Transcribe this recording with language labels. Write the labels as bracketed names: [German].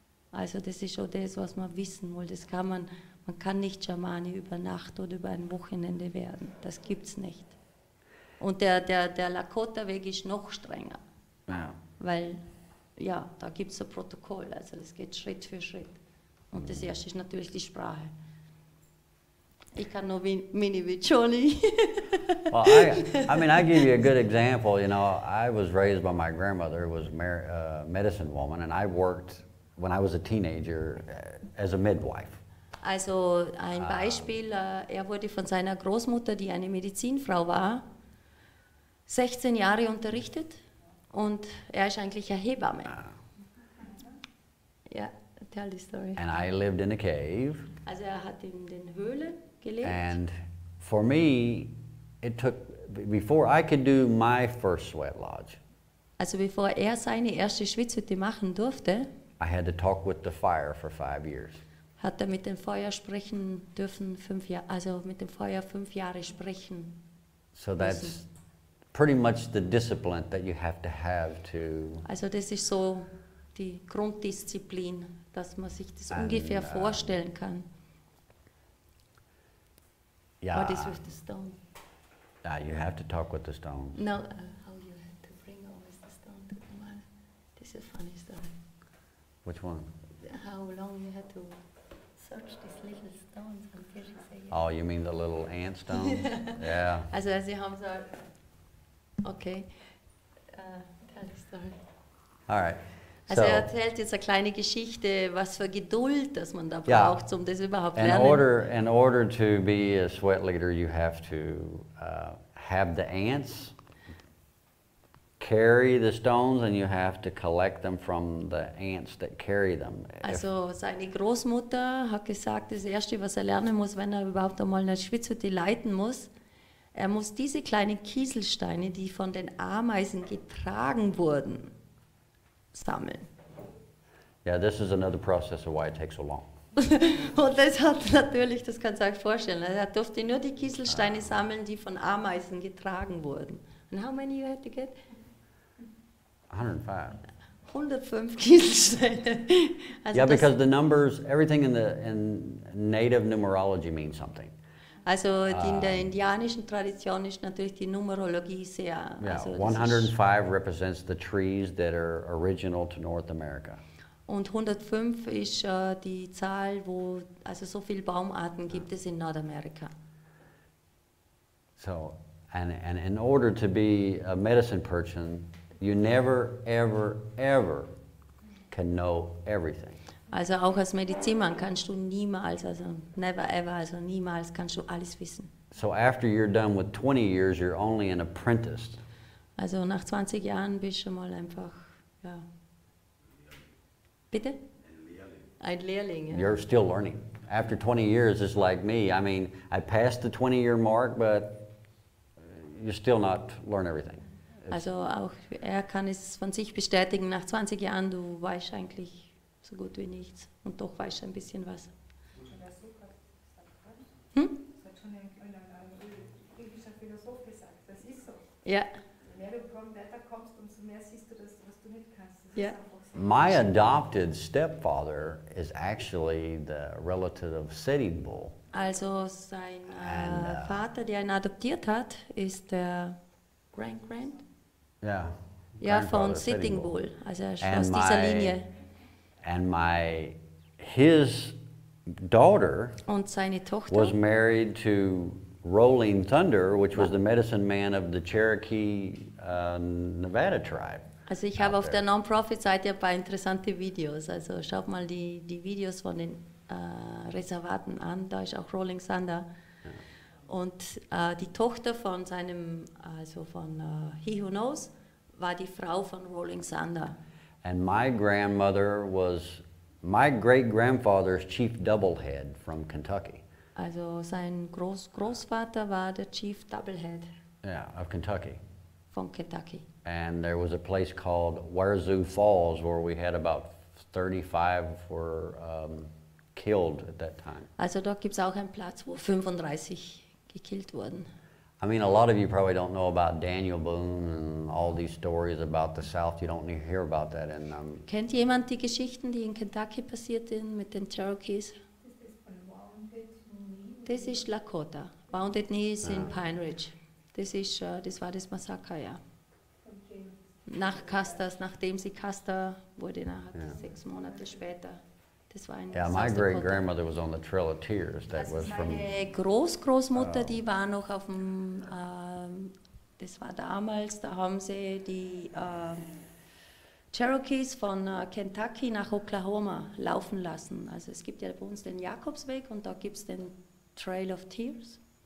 [German] Also das ist schon das, was man wissen will. Das kann man kann nicht Schamane über Nacht oder über ein Wochenende werden. Das gibt's nicht. Und der Lakota-Weg ist noch strenger. Ja. Weil, ja, da gibt es ein Protokoll. Also das geht Schritt für Schritt. Und das erste ist natürlich die Sprache. Ich kann nur Mini-Wicholi. [English] Well, I give you a good example. You know, I was raised by my grandmother, who was a medicine woman, and I worked when I was a teenager as a midwife. [German] Also ein Beispiel, wurde von seiner Großmutter, die eine Medizinfrau war, 16 Jahre unterrichtet, und ist eigentlich eine Hebamme. [English] Yeah, tell the story. And I lived in a cave. [German] Also hat in den Höhlen gelebt. [English] And for me, it took, before I could do my first sweat lodge. [German] Also bevor seine erste Schwitzhütte machen durfte, [English] I had to talk with the fire for 5 years. [German] Hat mit dem Feuer sprechen dürfen 5 Jahre, also mit dem Feuer 5 Jahre sprechen. [English] So that's pretty much the discipline that you have to have to. [German] Also das ist so die Grunddisziplin, dass man sich das ungefähr vorstellen kann. [English] Yeah. What is with the stone? Yeah, you have to talk with the stone. No, how you have to bring always the stone to the man. This is a funny story. Which one? How long you had to search these little stones until she said yes. Oh, you mean the little ant stones? Yeah. Also, as you have said, okay, tell the story. All right. [German] Also er erzählt jetzt eine kleine Geschichte, was für Geduld, dass man da braucht, um das überhaupt lernen. [English] In order to be a sweat leader, you have to have the ants carry the stones, and you have to collect them from the ants that carry them. [German] Also seine Großmutter hat gesagt, das Erste, was er lernen muss, wenn er überhaupt einmal eine Schwitzhütte leiten muss, er muss diese kleinen Kieselsteine, die von den Ameisen getragen wurden, sammeln. [English] Yeah, this is another process of why it takes so long. [German] Und das hat natürlich, das kannst du euch vorstellen, er durfte nur die Kieselsteine sammeln, die von Ameisen getragen wurden. [English] And how many you had to get? 105 [German] Kieselsteine. [English] Also yeah, because the numbers, everything in native numerology means something. [German] Also in der indianischen Tradition ist natürlich die Numerologie sehr. [English] Yeah, [German] also [English] 105 represents the trees that are original to North America. [German] Und 105 ist die Zahl, wo also so viele Baumarten gibt es in Nordamerika. [English] So, and in order to be a medicine person, you never, ever, ever can know everything. [German] Also auch als Medizinmann kannst du niemals, also [English] never ever, [German] also niemals kannst du alles wissen. [English] So after you're done with 20 years, you're only an apprentice. [German] Also nach 20 Jahren bist du mal einfach, ja. Bitte? Ein Lehrling. Ja. [English] You're still learning. After 20 years, it's like me. I mean, I passed the 20-year mark, but you still not learn everything. [German] Also auch er kann es von sich bestätigen, nach 20 Jahren, du weißt eigentlich so gut wie nichts und doch weißt ein bisschen was. Das hat schon ein griechischer Philosoph gesagt, das ist so. Ja. Je mehr du kommst, umso mehr siehst du das, was du nicht kannst. Ja. [English] My adopted stepfather is actually the relative of Sitting Bull. [German] Also sein Vater, der ihn adoptiert hat, ist der Grand. [English] Yeah. [German] Ja, von Sitting Bull. Also er ist aus dieser Linie. [English] And my his daughter [German] und seine Tochter [English] was married to Rolling Thunder, which was the medicine man of the Cherokee Nevada tribe. [German] Also ich habe auf der Non-Profit Seite ein paar interessante Videos. Also schaut mal die Videos von den Reservaten an, da ist auch Rolling Thunder. Und die Tochter von seinem, also von He Who Knows, war die Frau von Rolling Thunder. [English] And my grandmother was my great-grandfather's chief doublehead from Kentucky. [German] Also sein Großvater war der Chief Doublehead. [English] Yeah, of Kentucky. [German] Von Kentucky. [English] And there was a place called Wazoo Falls where we had about 35 were killed at that time. [German] Also dort gibt's auch einen Platz, wo 35 gekillt wurden. [English] I mean, a lot of you probably don't know about Daniel Boone and all these stories about the South. You don't hear about that. And [German] kennt jemand die Geschichten, die in Kentucky passiert sind mit den Cherokees? Das ist Lakota. Wounded Knee ist in Pine Ridge. Das war das Massaker, ja. Nach Custer's, nachdem sie Custer wurde, sechs Monate später. [English] Yeah, my great grandmother was on the Trail of Tears. That was from. [German] Großmutter, die war noch auf dem. Das war damals. Da haben sie die Cherokees von Kentucky nach Oklahoma laufen lassen. Also es gibt ja bei uns den Jakobsweg und da gibt's den Trail of Tears.